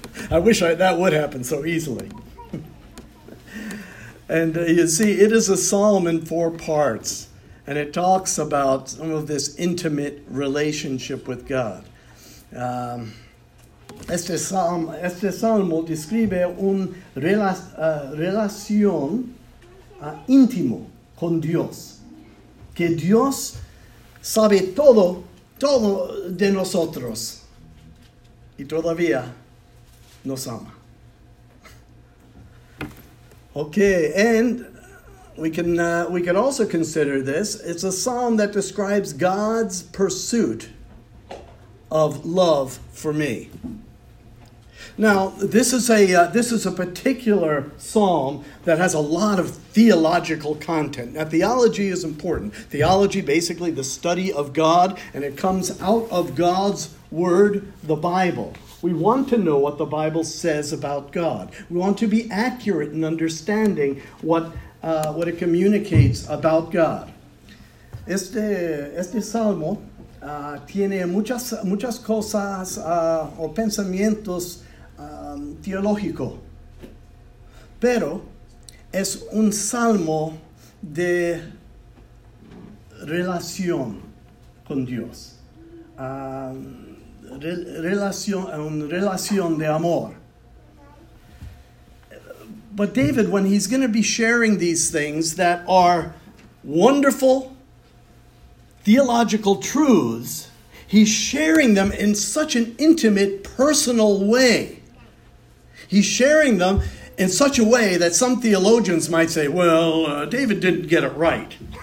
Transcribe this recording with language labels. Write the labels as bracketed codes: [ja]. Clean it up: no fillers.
[en] I wish that would happen so easily. And you see, it is a psalm in four parts. And it talks about some of this intimate relationship with God. [es] Este salmo describe una relación íntimo con Dios. Que Dios sabe todo de nosotros. Y todavía nos ama. [en] Okay, and We can also consider this. It's a psalm that describes God's pursuit of love for me. Now, this is a particular psalm that has a lot of theological content. Now, theology is important. Theology, basically, the study of God, and it comes out of God's word, the Bible. We want to know what the Bible says about God. We want to be accurate in understanding what it communicates about God. [es] Este salmo tiene muchas cosas o pensamientos teológicos, pero es un salmo de relación con Dios, una relación de amor. [en] But David, when he's going to be sharing these things that are wonderful theological truths, he's sharing them in such an intimate, personal way. He's sharing them in such a way that some theologians might say, well, David didn't get it right.